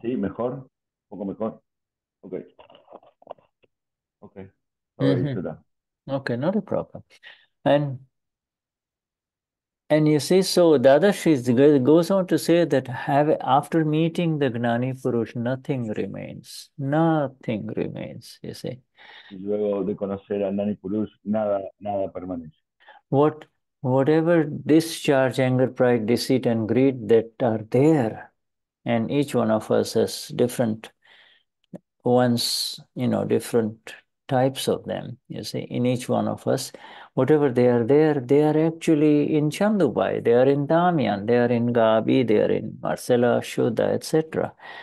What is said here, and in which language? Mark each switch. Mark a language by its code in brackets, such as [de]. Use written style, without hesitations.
[es] ¿Sí? ¿Mejor? ¿Un poco mejor? Ok. Ok. [en] Mm-hmm. Okay, not a problem. And you see, so Dadashri goes on to say that after meeting the Gnani Purush, nothing remains. Nothing remains, you see. [es] Luego de conocer al Gnani Purush, nada permanece. [en] Whatever discharge, anger, pride, deceit, and greed that are there, and each one of us has different ones, you know, different types of them, you see, in each one of us. Whatever they are there, they are actually in Chandubai, they are in Damian, they are in Gabi, they are in Marcella, Shuddha, etc.